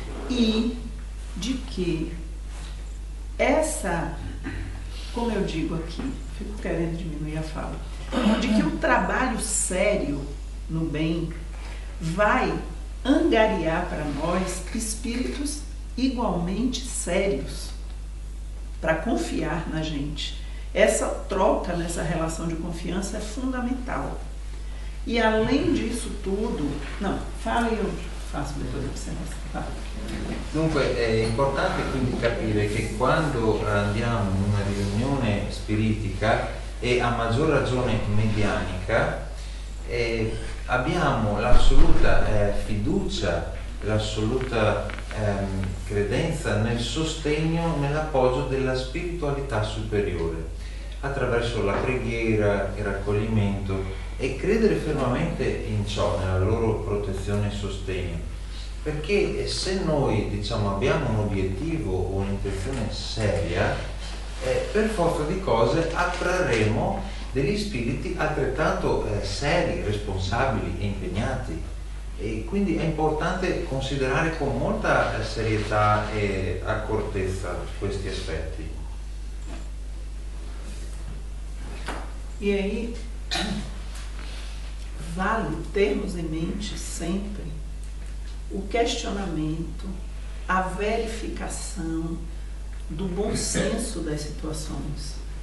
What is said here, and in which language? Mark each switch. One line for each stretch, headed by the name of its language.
Portuguese: e de que essa, como eu digo aqui, fico querendo diminuir a fala, de que o trabalho sério no bem vai angariar para nós espíritos igualmente sérios, para confiar na gente. Essa troca, nessa relação de confiança, é fundamental. E além disso tudo... Não, fala e eu faço depois da observação.
Italian: Dunque, é importante quindi capire che quando andiamo in una riunione spiritica e a maggior ragione medianica, abbiamo l'assoluta fiducia, l'assoluta credenza nel sostegno, nell'appoggio della spiritualità superiore attraverso la preghiera, il raccoglimento, e credere fermamente in ciò, nella loro protezione e sostegno, perché se noi diciamo abbiamo un obiettivo o un'intenzione seria, per forza di cose attrarremo degli spiriti altrettanto seri, responsabili e impegnati. E quindi è importante considerare con molta serietà e accortezza questi aspetti.
Portuguese: E aí vale termos em mente sempre o questionamento, a verificação do bom senso das situações.